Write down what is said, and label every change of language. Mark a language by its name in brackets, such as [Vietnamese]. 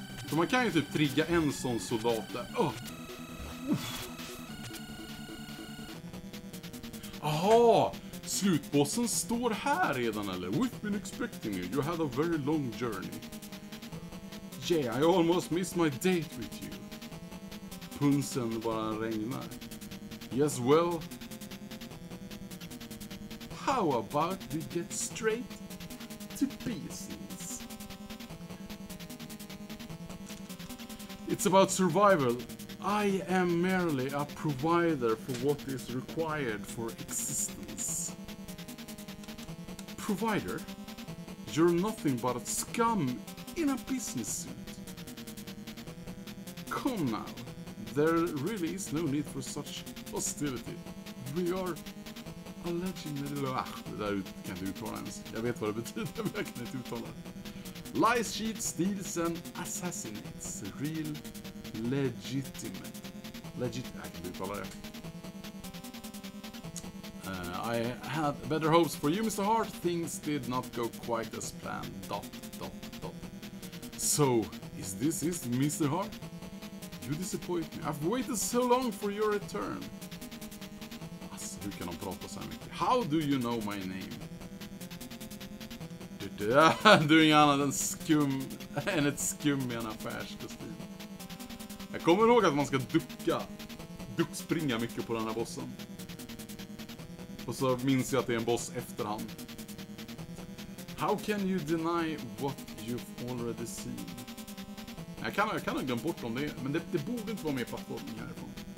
[Swedish] Så man kan ju typ trigga en sån soldat där. Aha! Slutbossen står här redan, eller? [English] We've been expecting you. You had a very long journey. Yeah, I almost missed my date with you. [Swedish] Punsen bara regnar. [English] Yes, well... How about we get straight to business? It's about survival. I am merely a provider for what is required for existence. Provider? You're nothing but a scum in a business suit. Come now, there really is no need for such positivity. We are allegedly laugh. [Swedish] Det där kan du uttala ens. Jag vet vad det betyder, men jag kan inte uttala. [English] Lies, cheats, steals and assassinates. Real legitimate. [Swedish] Legit, jag kan inte uttala det. [English] I had better hopes for you, Mr. Hart. Things did not go quite as planned. Dot, dot, dot. So, is this it, Mr. Hart? You disappoint me. I've waited so long for your return. [Swedish] Asså, hur kan de prata så mycket? [English] How do you know my name? [Swedish] Du är inget annat än skum, än ett skum i en affärskostym. Jag kommer ihåg att man ska ducka. Duckspringa mycket på den här bossen. Och så minns jag att det är en boss efterhand. [English] How can you deny what you've already seen? [Swedish] Jag kan ha glömt bort om det, men det borde inte vara mer plattformning härifrån.